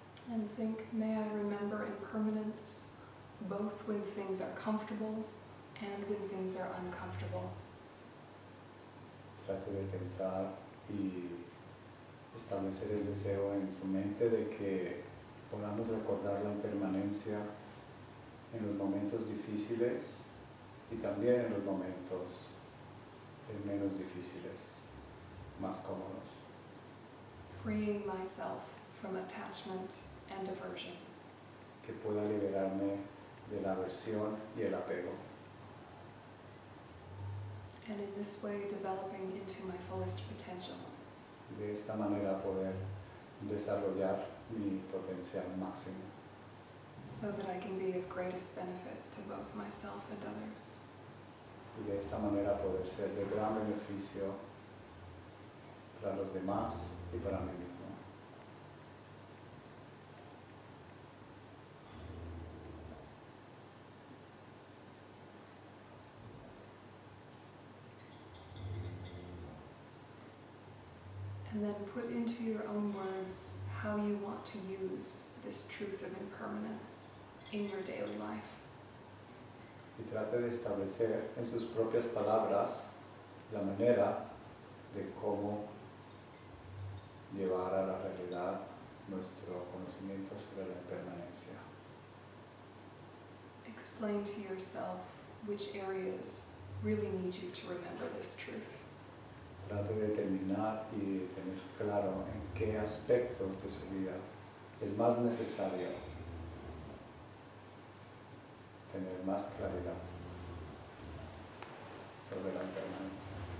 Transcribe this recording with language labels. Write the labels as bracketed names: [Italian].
[English] And think, may I remember impermanence, both when things are comfortable and when things are uncomfortable. [Spanish] Trate de pensar y establecer el deseo en su mente de que podamos recordar la impermanencia en los momentos difíciles y también en los momentos menos difíciles, más cómodos. [English] Freeing myself from attachment and aversion. [Spanish] Que pueda liberarme de la aversión y el apego. [English] And in this way, developing into my fullest potential. [Spanish] De esta manera poder desarrollar mi potencial máximo. [English] So that I can be of greatest benefit to both myself and others. [Spanish] Y de esta manera poder ser de gran beneficio para los demás y para mí mismo. [English] And then put into your own words how you want to use this truth of impermanence in your daily life. [Spanish] Y trate de establecer en sus propias palabras la manera de cómo llevar a la realidad nuestro conocimiento sobre la impermanencia. [English] Explain to yourself which areas really need you to remember this truth. [Spanish] Trate de determinar y de tener claro en qué aspectos de su vida es más necesario tener más claridad sobre la impermanencia.